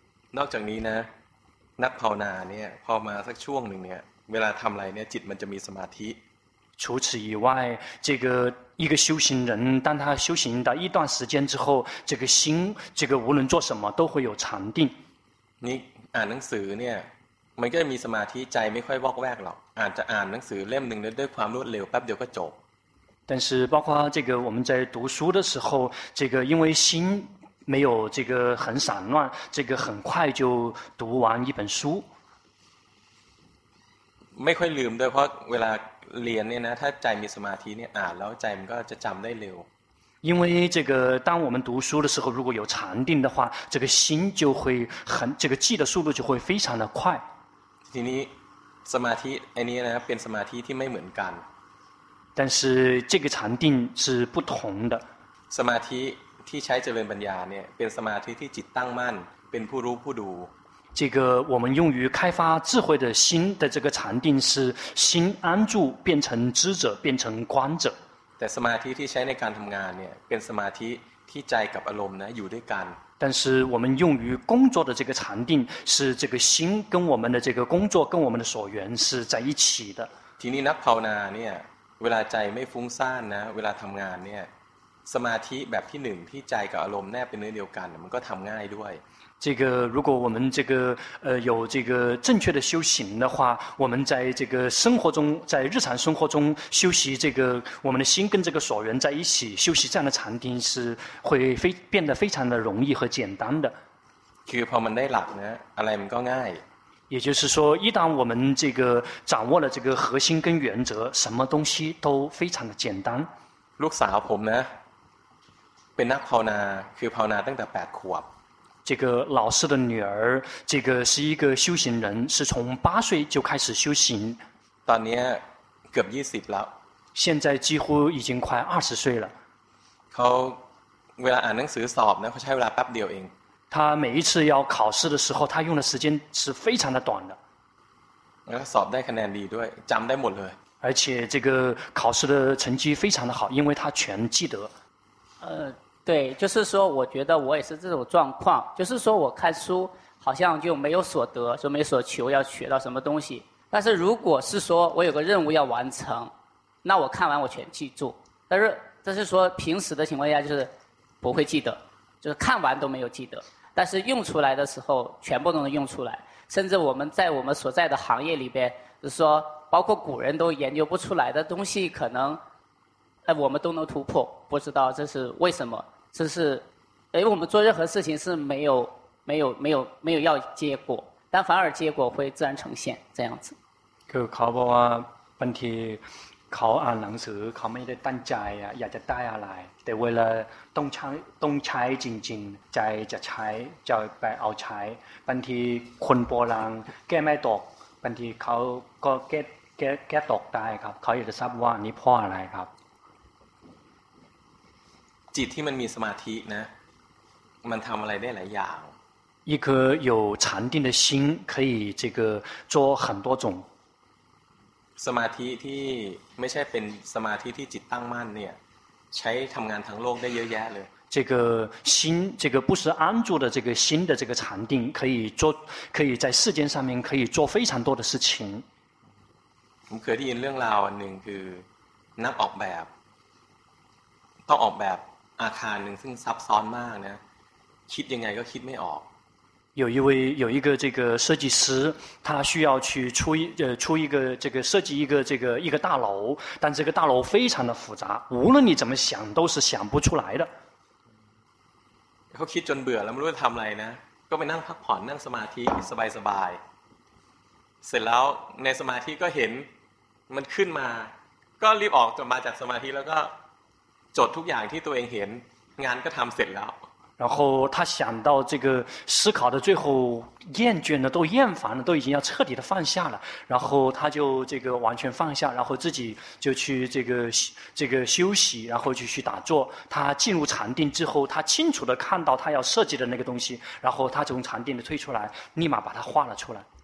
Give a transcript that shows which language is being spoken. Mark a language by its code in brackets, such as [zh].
[th] นอกจากนี้นะนักภาวนาเนี่ยพอมาสักช่วงหนึ่งเนี่ยเวลาทำอะไรเนี่ยจิตมันจะมีสมาธิ [zh] 除此以外这个一个修行人当他修行到一段时间之后这个心这个无论做什么都会有禅定 [th] นี่อ่านหนังสือเนี่ยมันก็มีสมาธิใจไม่ค่อยวอกแวกหรอกอาจจะอ่านหนังสือเล่มนึงด้วยความรวดเร็วแป๊บเดียวก็จบ [zh] 但是包括这个我们在读书的时候这个因为心没有这个很散乱，这个很快就读完一本书。 [th] ไม่ค่อยลืมด้วยเพราะเวลาเรียนเนี่ยนะถ้าใจมีสมาธิเนี่ยอ่านแล้วใจมันก็จะจำได้เร็ว。 [zh] 因为这个当我们读书的时候，如果有禅定的话，这个心就会很这个记的速度就会非常的快。 [th] ทีนี้สมาธิอันนี้นะเป็นสมาธิที่ไม่เหมือนกัน。 [zh] 但是这个禅定是不同的。 [th] สมาธิที่ใช้เจริญปัญญาเนี่ยเป็นสมาธิที่จิตตั้งมั่นเป็นผู้รู้ผู้ดู [zh] 这个我们用于开发智慧的心的这个禅定是心安住变成知者变成观者 [th] แต่สมาธิที่ใช้ในการทำงานเนี่ยเป็นสมาธิที่ใจกับอารมณ์นะอยู่ด้วยกัน [zh] 但是我们用于工作的这个禅定是这个心跟我们的这个工作跟我们的所缘是在一起的 [th] ทีนี้นักภาวนาเนี่ยเวลาใจไม่ฟุ้งซ่านนะเวลาทำงานเนี่ยสมาธิแบบที่หนึ่งที่ใจกับอารมณ์แนบเป็นเนื้อเดียวกันมันก็ทำง่ายด้วย [zh] 这个如果我们这个有这个正确的修行的话，我们在这个生活中，在日常生活中修习这个我们的心跟这个所缘在一起修习这样的禅定是会变得非常的容易和简单的。 [th] คือพอมันได้หลักนะอะไรมันก็ง่าย [zh] 也就是说，一旦我们这个掌握了这个核心跟原则，什么东西都非常的简单。 [th] ลูกสาวผมนะเป็นนักภาวนาคือภาวนาตั้งแต่8ขวบ [zh] 这个老师的女儿这个是一个修行人是从8岁就开始修行 [th] ตอนนี้เกือบ20แล้ว [zh] 现在几乎已经快20岁了 [th] เขาเวลาอ่านหนังสือสอบนะเขาใช้เวลาแป๊บเดียวเอง [zh] 他每一次要考试的时候他用的时间是非常的短的 [th] แล้วสอบได้คะแนนดีด้วยจำได้หมดเลย [zh] 而且这个考试的成绩非常的好因为他全记得对，就是说，我觉得我也是这种状况，就是说我看书好像就没有所得，就没所求，要学到什么东西。但是如果是说我有个任务要完成，那我看完我全记住。但是这是说平时的情况下就是不会记得，就是看完都没有记得。但是用出来的时候全部都能用出来，甚至我们在我们所在的行业里边，就是说包括古人都研究不出来的东西，可能。我们都能突破不知道这是为什么这是我们做任何事情是没有要结果但反而结果会自然呈现这样子 [th] คือเขาบอกว่าบางทีเขาอ่านหนังสือเขาไม่ได้ตั้งใจอยากจะได้อะไรแต่เวลาต้องใช้จริงๆใจจะใช้จะไปเอาใช้บางทีคนโบราณแก้ไม่ตกบางทีเขาก็แก้ตกได้ครับเขาอยากจะทราบว่านี่เพราะอะไรครับ จิตที่มันมีสมาธินะมันทำอะไรได้หลายอย่าง [zh] 一颗有禅定的心可以这个做很多种 [th] สมาธิที่ไม่ใช่เป็นสมาธิที่จิตตั้งมั่นเนี่ยใช้ทำงานทั้งโลกได้เยอะแยะเลย [zh] 这个心这个不是安住的这个心的这个禅定可以做可以在世间上面可以做非常多的事情 [th] ผมเคยได้ยินเรื่องราวหนึ่งคือนักออกแบบต้องออกแบบอาคารหนึ่งซึ่งซับซ้อนมากนะคิดยังไงก็คิดไม่ออก [zh] 有一个这个设计师，他需要去出一个这个设计一个大楼，但这个大楼非常的复杂，无论你怎么想都是想不出来的。 [th] เขาคิดจนเบื่อแล้วไม่รู้จะทำอะไรนะก็ไปนั่งพักผ่อนนั่งสมาธิสบายสบายเสร็จแล้วในสมาธิก็เห็นมันขึ้นมาก็รีบออกมาจากสมาธิแล้วก็จดทุกอย่างที่ตัวเองเห็นงานก็ทำเสร็จแล้ว [zh] 然后他想到这个思考的最后厌倦了，都厌烦了，都已经要彻底的放下了，然后他就这个完全放下，然后自己就去这个休息，然后就去打坐。他进入禅定之后，他清楚的看到他要设计的那个东西，然后他从禅定的退出来，立马把它画了出来。